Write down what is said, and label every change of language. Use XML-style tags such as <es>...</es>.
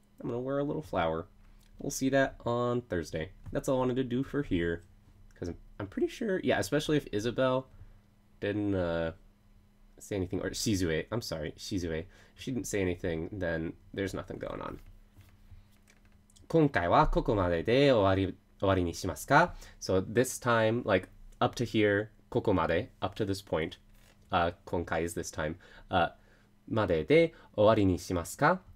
<en>I'm gonna wear a little flower. We'll see that on Thursday. That's all I wanted to do for here. Because I'm pretty sure, yeah, especially if Isabel didn't say anything. Or Shizue, I'm sorry, Shizue. If she didn't say anything, then there's nothing going on.</en> <ja>今回はここまでで終わりにしますか?</ja> <en>So this time, like, up to here, ここまで, up to this point, 今回 is this time,</en> <ja>までで終わりにしますか?</ja>